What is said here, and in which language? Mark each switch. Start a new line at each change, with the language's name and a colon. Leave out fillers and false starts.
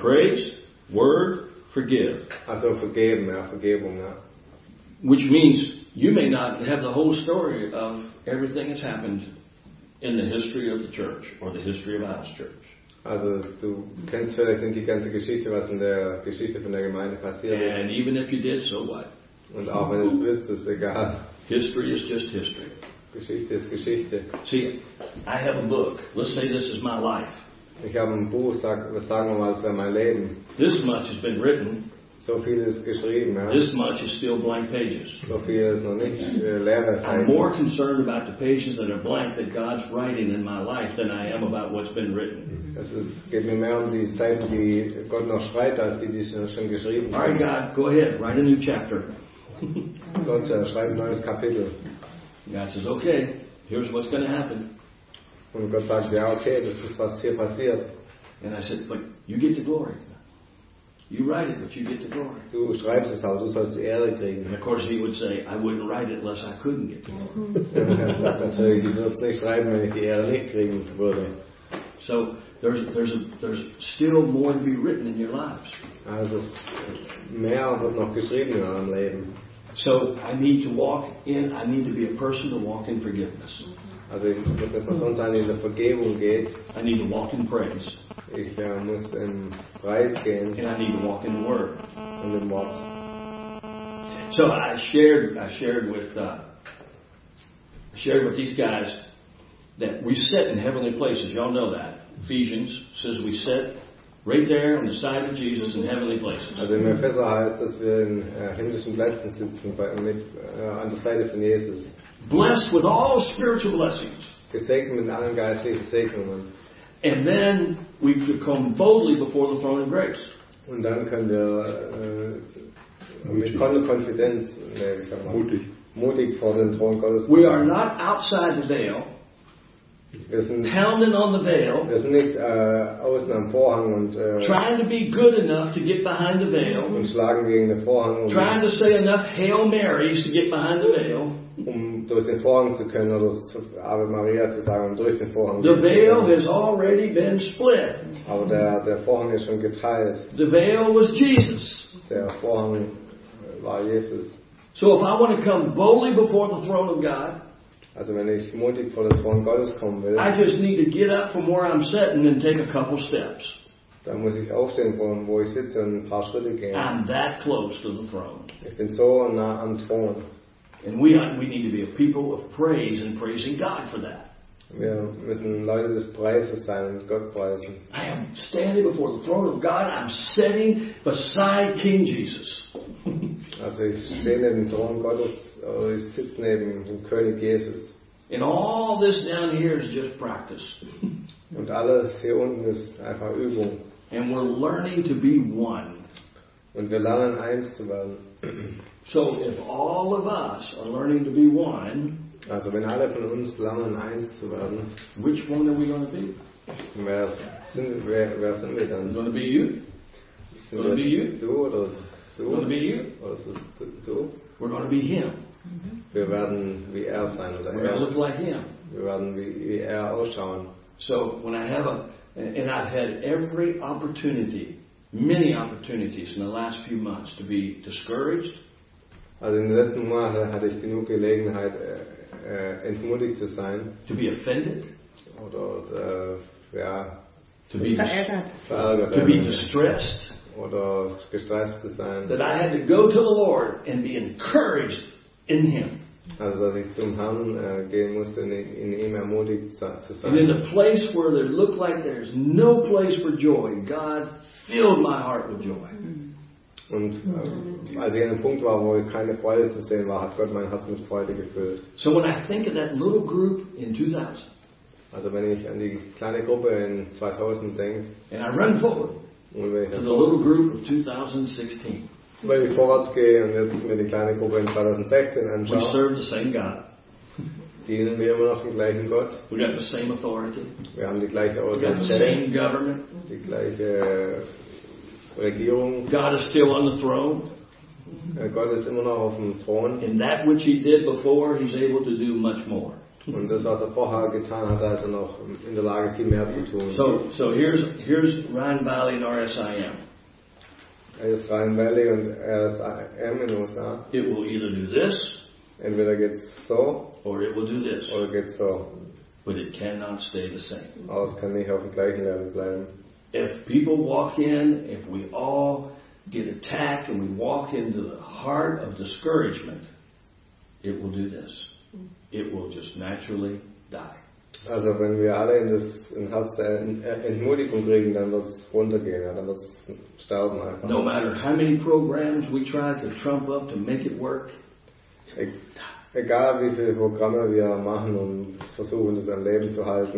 English: Praise, word, forgive.
German: Also vergeben, ja, Vergebung, ja.
English: Which means you may not have the whole story of everything that's happened in the history of the church or the history of our church.
German: Also du kennst vielleicht nicht die ganze Geschichte, was in der Geschichte von der Gemeinde passiert ist.
English: And even if you did, so what?
German: Und auch wenn du es wisst, ist egal.
English: History is just history.
German: Geschichte ist Geschichte.
English: See, I have a book. Let's say this is my life.
German: Ich habe ein Buch, sagen wir mal, das wäre mein Leben.
English: This much has been written.
German: So viel ist geschrieben, ja.
English: This much is still blank pages.
German: So viel ist noch nicht leere Seiten.
English: I'm more concerned about the pages that are blank that God's writing in my life than I am about what's been written.
German: Es ist, geht mir mehr um die Seiten, die Gott noch schreibt, als die, die schon geschrieben sind.
English: All right, God, go ahead, write a new chapter.
German: Gott, schreibe ein neues Kapitel.
English: God says, okay, here's what's going to happen.
German: Und Gott sagt, ja, okay, das ist, was hier passiert.
English: And I said, but you get the glory. You write it, but you get the glory.
German: Du schreibst es, aber du sollst die Ehre kriegen.
English: And of course he would say, I wouldn't write it unless I couldn't get the glory.
German: Natürlich, ich würde es nicht schreiben, wenn ich die Ehre nicht kriegen würde.
English: So, there's still more to be written in your lives.
German: Also, mehr wird noch geschrieben in eurem Leben.
English: So, I need to be a person to walk in forgiveness.
German: Also, ich muss eine Person sein, die in der Vergebung geht.
English: I need to walk in praise.
German: Ich muss in Preis gehen.
English: And I need to walk in the Word.
German: Und in Wort.
English: So, I shared with these guys that we sit in heavenly places. Y'all know that. Ephesians says we sit right there on the side of Jesus in heavenly places.
German: Also in Epheser heißt, dass wir in himmlischen Plätzen sitzen, an der Seite von Jesus.
English: Blessed with all spiritual blessings.
German: Gesegnet mit allen geistlichen Segnungen.
English: And then we could come boldly before the throne of grace.
German: Und dann können wir mit voller Konfidenz, mutig vor den Thron Gottes.
English: We are not outside the veil. Pounding on the veil.
German: Wir sind nicht außen am Vorhang und
English: trying to be good enough to get behind the veil.
German: Und schlagen gegen den Vorhang.
English: Trying to say enough Hail Marys to get behind the veil.
German: Um durch den Vorhang zu können oder zu Ave Maria zu sagen, um durch den Vorhang.
English: The veil has already been split.
German: Aber der Vorhang ist schon geteilt.
English: The veil was Jesus.
German: Der Vorhang war Jesus.
English: So if I want to come boldly before the throne of God.
German: Also wenn ich mutig vor den Thron Gottes kommen will.
English: I just need to get up from where I'm sitting and take a couple steps.
German: Dann muss ich aufstehen von wo ich sitze und ein paar Schritte gehen.
English: I'm that close to the throne.
German: Ich bin so nah am Thron.
English: And we need to be a people of praise and praising God for that.
German: Wir müssen Leute des Preises sein und Gott preisen.
English: I am standing before the throne of God. I'm sitting beside King Jesus.
German: Also ich stehe neben dem Thron Gottes, oder ich sitze neben dem König Jesus.
English: And all this down here is just practice.
German: Und alles hier unten ist einfach Übung.
English: And we're learning to be one.
German: Und wir lernen eins zu werden.
English: So if all of us are learning to be one,
German: also wenn alle von uns lernen eins zu werden,
English: which one are we going to be?
German: Wer sind wir dann?
English: Going to be you? Going to be you?
German: Du oder du?
English: Going to be you?
German: Oder du?
English: We're going to be him.
German: Wir werden wie sein oder
English: we're going to look like him.
German: Wir werden wie ausschauen.
English: So when I have and I've had every opportunity, many opportunities in the last few months to be discouraged.
German: Also in den letzten Monaten hatte ich genug Gelegenheit, entmutigt zu sein.
English: To be offended.
German: Oder
English: to be
German: verärgert.
English: To be distressed.
German: Oder gestresst zu sein.
English: That I had to go to the Lord and be encouraged in Him.
German: Also dass ich zum Herrn gehen musste, in ihm ermutigt zu sein.
English: And in a place where there looked like there's no place for joy, God filled my heart with joy.
German: Und als ich an einem Punkt war, wo keine Freude zu sehen war, hat Gott mein Herz mit Freude gefüllt.
English: So when I think of that little group in 2000,
German: also wenn ich an die kleine Gruppe in 2000 denke,
English: and I run forward
German: und wenn ich
English: to the little group of 2016,
German: wenn ich vorwärts gehe und jetzt mir die kleine Gruppe in 2016 anschaue,
English: we serve the same God.
German: Dienen wir immer noch dem gleichen Gott.
English: We got the same authority.
German: Wir haben die gleiche Autorität.
English: We got the same government.
German: Die gleiche Regierung.
English: God is still on the throne.
German: Gott ist immer noch auf dem Thron.
English: And that which he did before, he's able to do much more.
German: Und das, was vorher getan hat, ist noch in der Lage, viel mehr zu tun.
English: So here's Rhine Valley and RSIM.
German: Er ist Rhine Valley und RSIM in USA.
English: It will either do this.
German: Entweder geht's so.
English: Or it will do this.
German: Oder geht's so.
English: But it cannot stay the same.
German: Aber es kann nicht auf dem gleichen Level bleiben.
English: If people walk in, if we all get attacked and we walk into the heart of discouragement, it will do this. It will just naturally die.
German: Also wenn wir alle in Hass der Entmutigung kriegen, dann wird es runtergehen, ja, dann wird es sterben einfach.
English: No matter how many programs we try to trump up to make it work.
German: Egal wie viele Programme wir machen, um versuchen, das am Leben zu halten.